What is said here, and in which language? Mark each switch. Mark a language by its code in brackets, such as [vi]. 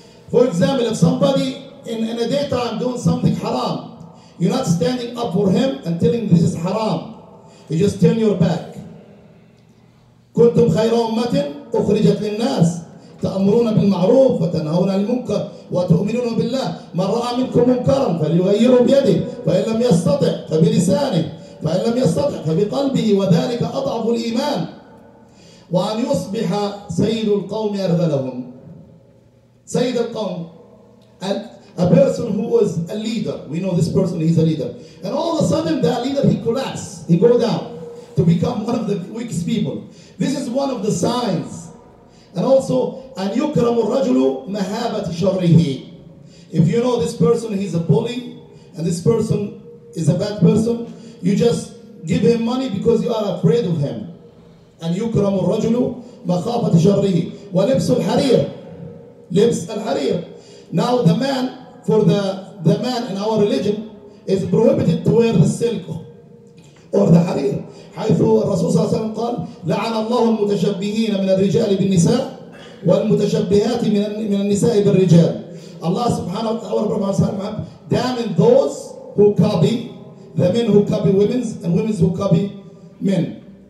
[en] For example, if somebody in a daytime doing something haram, you're not standing up for him and telling this is haram. You just turn your back. [ar] كنتم خير أمة أخرجت للناس تأمرون بالمعروف وتنهون عن المنكر وتؤمنون بالله. من رأى منكم منكرا فليغيره بيده، فإن لم يستطع فبلسانه، فإن لم يستطع فبقلبه، وذلك أضعف الإيمان. وأن يصبح سيد القوم أرذلهم. سيد القوم [en] A person who was a leader. We know this person, he's a leader. And all of a sudden, that leader, he collapsed. He go down to become one of the weakest people. This is one of the signs. And also, [ar] أن يكرم الرجل مهابة شره. [en] If you know this person, he's a bully, and this person is a bad person, you just give him money because you are afraid of him. [ar] أن يكرم الرجل مخافة شره. ولبس الحرير. لبس الحرير. [en] Now the man, for the man in our religion, is prohibited to wear the silk or the harir. [ar] حيث الرسول صلى الله عليه وسلم قال لعن الله المتشبهين من الرجال بالنساء والمتشبهات من النساء بالرجال. [en] Allah subhanahu wa ta'ala, our Prophet [ar] صلى الله عليه وسلم, [en] damning those who copy, the men who copy women and women who copy men.